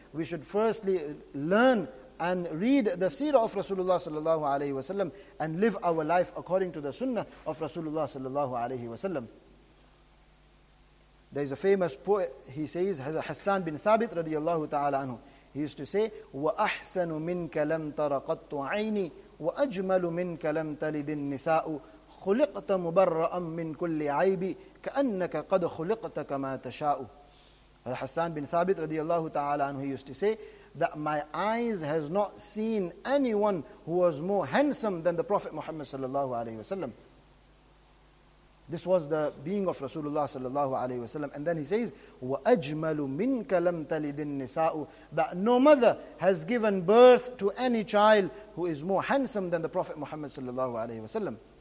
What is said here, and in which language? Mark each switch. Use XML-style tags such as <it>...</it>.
<en>We should firstly learn and read the seerah of Rasulullah sallallahu alayhi wa sallam and live our life according to the sunnah of Rasulullah sallallahu alayhi wa sallam. There is a famous poet, he says, Hassan bin Thabit radiyallahu ta'ala anhu.</en> <ar>He used to say, وَأَحْسَنُ مِنْكَ لَمْ تَرَقَطْتُ عَيْنِي وَأَجْمَلُ مِنْكَ لَمْ تَلِدِ النِّسَاءُ خُلِقْتَ مُبَرَّأً مِنْ كُلِّ عَيْبِ كَأَنَّكَ قَدْ خُلِقْتَ كَمَا تَشَاءُ.</ar> <en>Hassan bin Thabit radiyallahu ta'ala anhu, he used to say that my eyes has not seen anyone who was more handsome than the Prophet Muhammad sallallahu alayhi wa sallam. This was the being of Rasulullah sallallahu alayhi wa sallam. And then he says, وَأَجْمَلُ مِنْكَ لَمْ تَلِدِ النِّسَاءُ, that no mother has given birth to any child who is more handsome than the Prophet Muhammad sallallahu alayhi wa sallam.</en>